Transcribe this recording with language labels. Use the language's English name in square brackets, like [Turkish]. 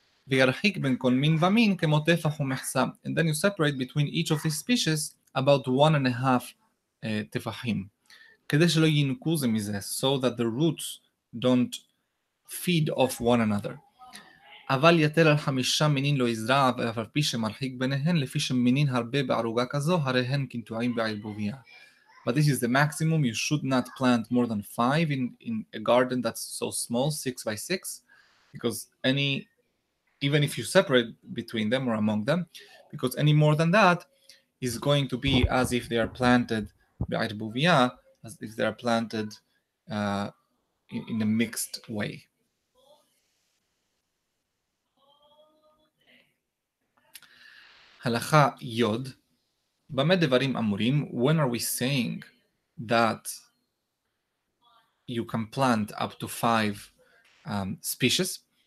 [English] And then you separate between each of these species about 1.5 tefachim. So that the roots don't feed off one another. [Hebrew] אבל יתר על חמישה מינים לא יזרע, ואף על פי שמרחיק ביניהן, לפי שמינים הרבה בערוגה כזו, הרי הן כנטועים בערבוביה. [English] But this is the maximum. You should not plant more than 5 in a garden that's so small, 6 by 6, because any, even if you separate between them or among them, because any more than that is going to be as if they are planted בערבוביה, as if they are planted in a mixed way. [Hebrew] הלכה יוד, במה דברים אמורים? [English] When are we saying that you can plant up to 5 species?